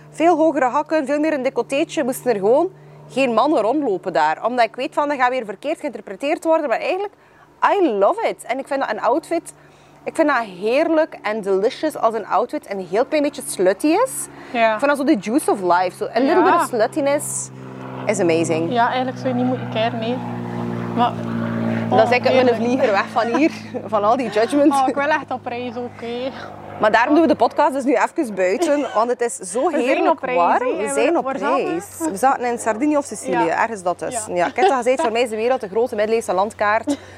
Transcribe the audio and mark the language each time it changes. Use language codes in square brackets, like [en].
[nl] Veel hogere hakken, veel meer een decotteetje. Moesten er gewoon... Geen mannen rondlopen daar. Omdat ik weet van, dat gaat weer verkeerd geïnterpreteerd worden. Maar eigenlijk, [en] I love it. [nl] En ik vind dat een outfit... Ik vind dat heerlijk en delicious als een outfit. En een heel klein beetje slutty is. Ja. Ik vind dat zo de [en] juice of life. So, a little bit of sluttiness is amazing. [nl] Ja, eigenlijk zou je niet moeten keren, nee. Maar... Oh, dan zeg ik met een vlieger weg van hier. Van al die judgments. Oh, ik wil echt op reis, oké. Maar daarom doen we de podcast dus nu even buiten, want het is zo heerlijk warm. We zijn op reis. We zaten in Sardinië of Sicilië, ja. Ergens dat dus. Ja. Ik heb het al gezegd, voor mij is de wereld een grote Middeleeuwse landkaart.